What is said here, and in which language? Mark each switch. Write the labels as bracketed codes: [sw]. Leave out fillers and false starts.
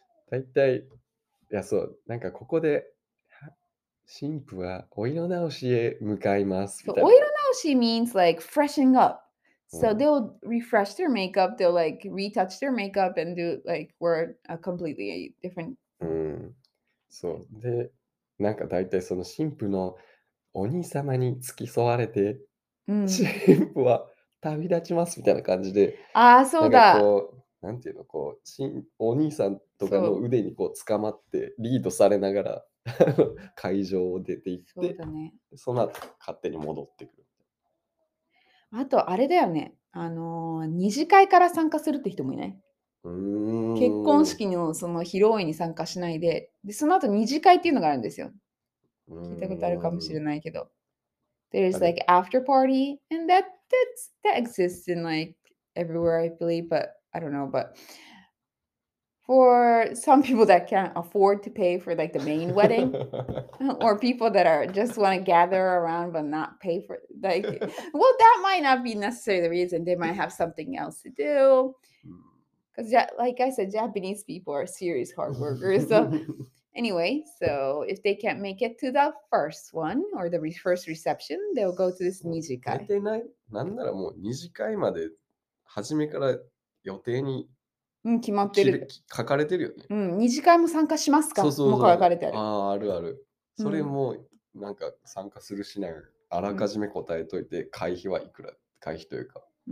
[ja] 大体、いや、そう、なんかここで新婦はお色直しへ向かいますみたいな。 [en] お色直し means like freshening up. So they'll refresh their makeup, they'll like retouch their makeup and do like wear a completely different. [ja] うん。そう。で、なんか大体その新婦のお兄様に付き添われて、うん、新婦は旅立ちますみたいな感じで。ああ、そうだ。なんかこう、なんていうの、こう、お兄さんとかの腕にこう捕まってリードされながら会場を出て行って、そうだね。その後勝手に戻ってくる。あとあれだよね、二次会から参加するって人もいない。結婚式のその披露宴に参加しないで、でその後二次会っていうのがあるんですよ。聞いたことあるかもしれないけど、 [en] There's like after party and that exists in like everywhere I believe, but I don't know. But for some people that can't afford to pay for like the main wedding, or people that are just want to gather around but not pay for, like, well, that might not be necessarily the reason. They might have something else to do. Because, like I said, Japanese people are serious hard workers. So, anyway, so if they can't make it to the first one or the first reception, they'll go to this 二次会. [ja] 大体ない。なんならもう二次会まで初めから予定に、うん、決まってる。書かれてるよね。うん、二次会も参加しますか？そうそうそう。もう書かれてある。ああ、あるある。それもなんか参加するしない、うん、あらかじめ答えといて会費はいくら、会費というか。